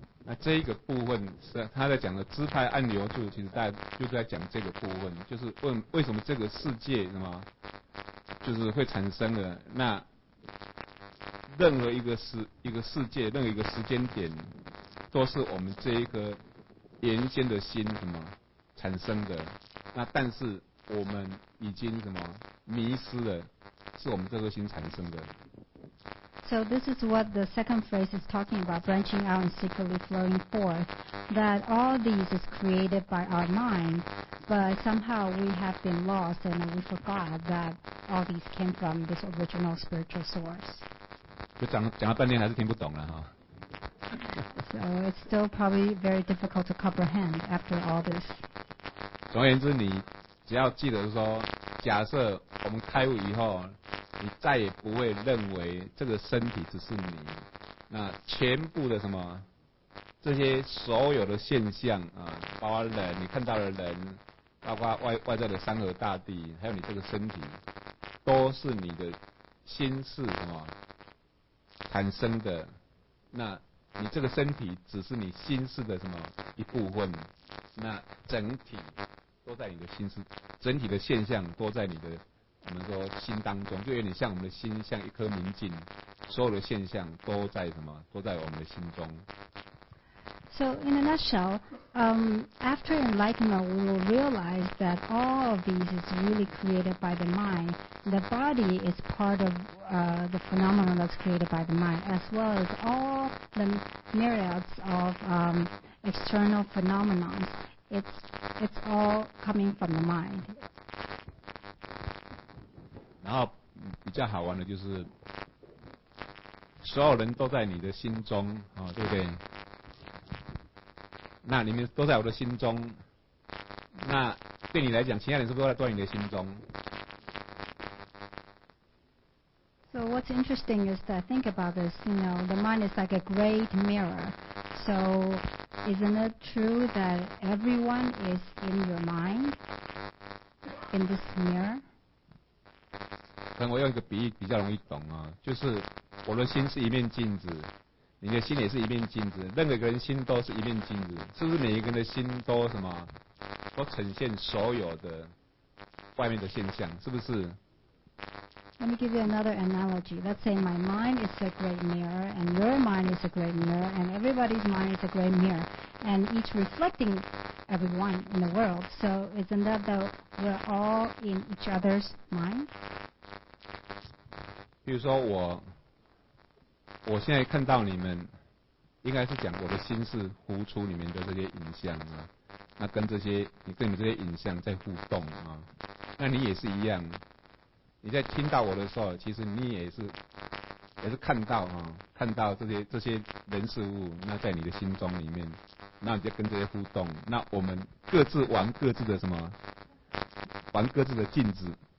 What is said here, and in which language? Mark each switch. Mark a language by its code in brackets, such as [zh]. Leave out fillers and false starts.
[zh] 那这一个部分是他在讲的支派按钮处，其实大家就是在讲这个部分，就是问为什么这个世界什么就是会产生的，那任何一个世界任何一个时间点都是我们这一个原先的心什么产生的，那但是我们已经什么迷失了，是我们这颗心产生的。 [en] So this is what the second phrase is talking about, branching out and secretly flowing forth. That all these is created by our mind, but somehow we have been lost and we forgot that all these came from this original spiritual source. [zh] 就讲了半天还是听不懂了哈。 [en] So it's still probably very difficult to comprehend after all this. [zh] 总而言之，你。只要记得说，假设我们开悟以后，你再也不会认为这个身体只是你，那全部的什么，这些所有的现象啊，包括人，你看到的人，包括外在的山河大地，还有你这个身体，都是你的心事什么产生的，那你这个身体只是你心事的什么一部分，那整体。都在你的心思，整体的现象都在你的，我们说心当中，就有点像我们的心像一颗明镜，所有的现象都在什么？都在我们的心中。 [en] So in a nutshell, after enlightenment, we will realize that all of these is really created by the mind. The body is part of the phenomenon that's created by the mind, as well as all the myriads of external phenomena. It's all coming from the mind. [zh] 然后比较好玩的就是，所有人都在你的心中，哦，对不对？那你们都在我的心中，那对你来讲，其他人是不是都在你的心中？ [en] So what's interesting is that think about this, you know, the mind is like a great mirror. So isn't it true that everyone is in your mind, in this mirror? [zh] 可能我用一个比喻比较容易懂啊，就是我的心是一面镜子。你的心也是一面镜子，任何一个人心都是一面镜子，是不是每一个人的心都什么，都呈现所有的外面的现象，是不是？ [en] Let me give you another analogy. Let's say my mind is a great mirror, and your mind is a great mirror, and everybody's mind is a great mirror, and each reflecting everyone in the world. So isn't that that we're all in each other's mind? [zh] 比如说我现在看到你们，应该是讲我的心是浮出你们的这些影像啊，那跟这些你跟你们这些影像在互动啊，那你也是一样，你在听到我的时候，其实你也是看到啊，看到这些人事物，那在你的心中里面，那你就跟这些互动，那我们各自玩各自的什么，玩各自的镜子。